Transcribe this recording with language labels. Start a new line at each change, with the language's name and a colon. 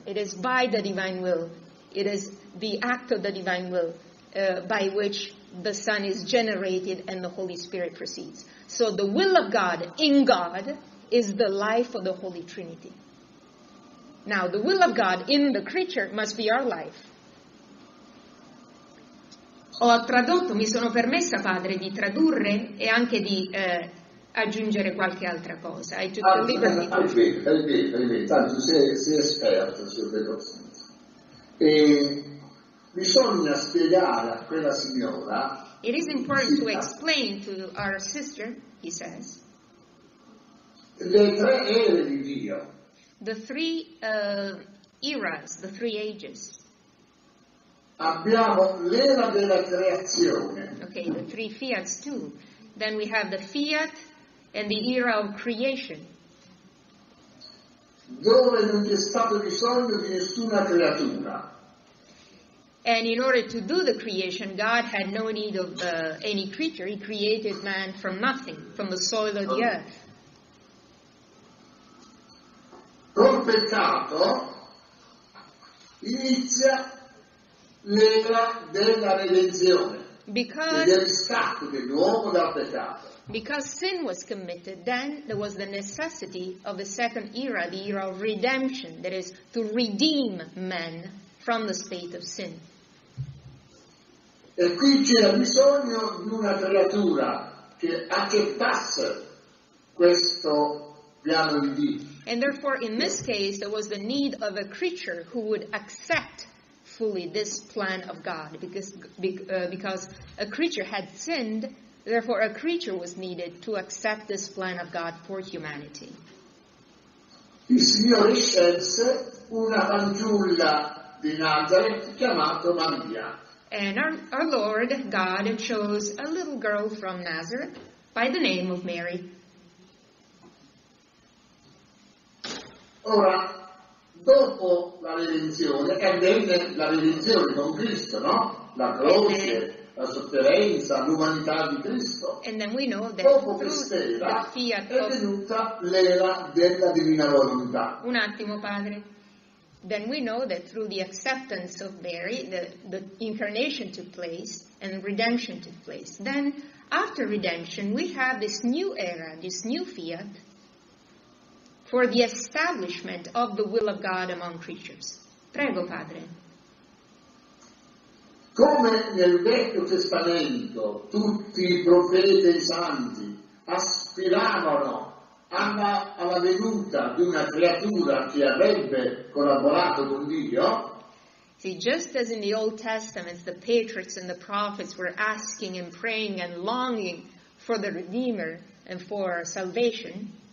English: It is by the divine will, it is the act of the divine will by which the Son is generated and the Holy Spirit proceeds. So the will of God in God is the life of the Holy Trinity. Now, the will of God in the creature must be our life.
Italian: Ho tradotto, mi sono permessa, Padre, di tradurre e anche di aggiungere qualche altra cosa.
English: I took the liberty.
Italian: Tanto, sei esperto, sul vero senso. Bisogna spiegare a quella signora.
English: It is important to explain to our sister, he says.
Italian: Le tre ere di Dio.
English: The three eras, the three ages.
Italian: Abbiamo l'era della creazione.
English: Okay, the three fiats too. Then we have the fiat and the era of creation.
Italian: Dove non c'è stato bisogno di nessuna creatura.
English: And in order to do the creation, God had no need of any creature. He created man from nothing, from the soil of the earth.
Italian: Con peccato inizia l'era della redenzione.
English: Because,
Italian: ed è stato che l'uomo dal peccato.
English: Because sin was committed, then there was the necessity of the second era, the era of redemption, that is, to redeem men from the state of sin.
Italian: E qui c'era bisogno di una creatura che accettasse questo piano di Dio.
English: And therefore, in this case, there was the need of a creature who would accept fully this plan of God, because a creature had sinned, therefore a creature was needed to accept this plan of God for humanity.
Italian: Il Signore scelse una fanciulla di Nazareth chiamata Maria.
English: And our Lord God chose a little girl from Nazareth by the name of Mary.
Italian: Ora, dopo la redenzione, che avvenne la redenzione con Cristo, no? La croce, la sofferenza, l'umanità di Cristo.
English: And then we know that
Italian: dopo quest'era è venuta l'era della divina volontà. Un attimo, Padre.
English: Then we know that through the acceptance of Mary, the incarnation took place and redemption took place. Then, after redemption, we have this new era, this new fiat, for the establishment of the will of God among creatures.
Italian: Prego, Padre. Come nel Vecchio Testamento, tutti i profeti e i santi aspiravano alla venuta di una creatura che avrebbe collaborato con Dio.
English: See, just as in the Old Testament, the patriarchs and the prophets were asking and praying and longing for the Redeemer and for salvation.